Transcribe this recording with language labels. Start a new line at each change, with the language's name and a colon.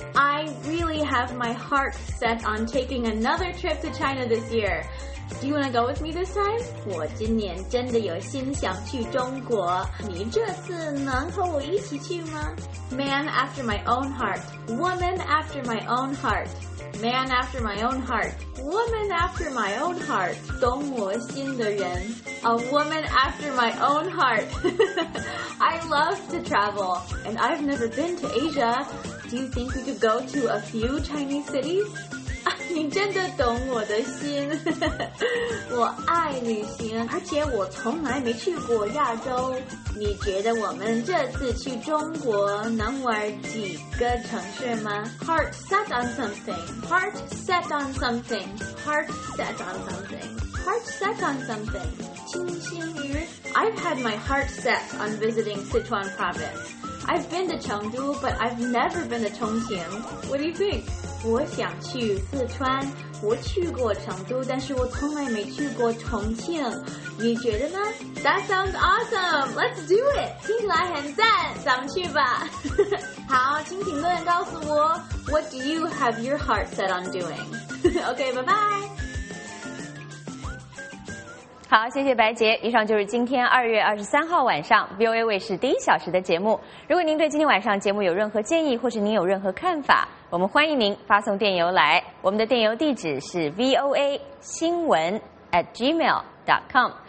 English: I really have my heart set on taking another trip to China this year. Do you want to go with me this time?
Chinese: 我今年真的有心想去中国。你这次能和我一起去吗？
English: Man after my own heart. Woman after my own heart. Man after my own heart. Woman after my own heart.
Chinese: 懂我心的人。
English: A woman after my own heart. I love to travel, and I've never been to Asia. Do you think we could go to a few Chinese cities?
Chinese: 你真的懂我的心我爱旅行，而且我从来没去过亚洲。你觉得我们这次去中国能玩几个城市吗？
English: Heart set on something. Heart set on something. Heart set on something. Heart set on something.
Chinese: 清新鱼。
English: I've had my heart set on visiting Sichuan province. I've been to Chengdu, but I've never been to Chongqing. What do you think?
Chinese: 我想去四川，我去过成都，但是我从来没去过重庆，你觉得呢？
English: That sounds awesome! Let's do it!
Chinese: 听起来很赞，咱们去吧。好，请评论告诉我
English: What do you have your heart set on doing?
Chinese: OK, 拜拜。好，谢谢白杰。以上就是今天2月23号晚上 VOA 卫视第一小时的节目。如果您对今天晚上节目有任何建议，或是您有任何看法，我们欢迎您发送电邮来。我们的电邮地址是 voa 新闻@gmail.com。